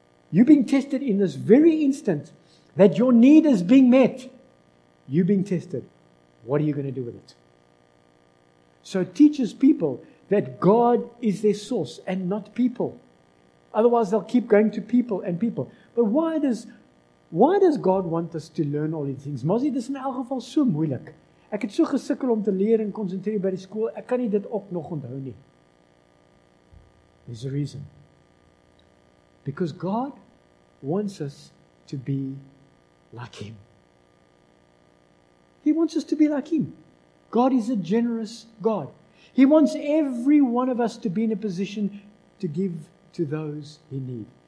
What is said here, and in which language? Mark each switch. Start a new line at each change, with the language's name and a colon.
English: You're being tested in this very instant that your need is being met. You're being tested. What are you going to do with it? So it teaches people that God is their source and not people. Otherwise, they'll keep going to people and people. But why does God want us to learn all these things?
Afrikaans: Mosie, dis in elk geval so moeilik. Ek het so gesukkel om te leer en konsentreer by die skool. Ek kan nie dit ook nog onthou nie.
English: There's a reason. Because God wants us to be like Him. He wants us to be like Him. God is a generous God. He wants every one of us to be in a position to give to those in need.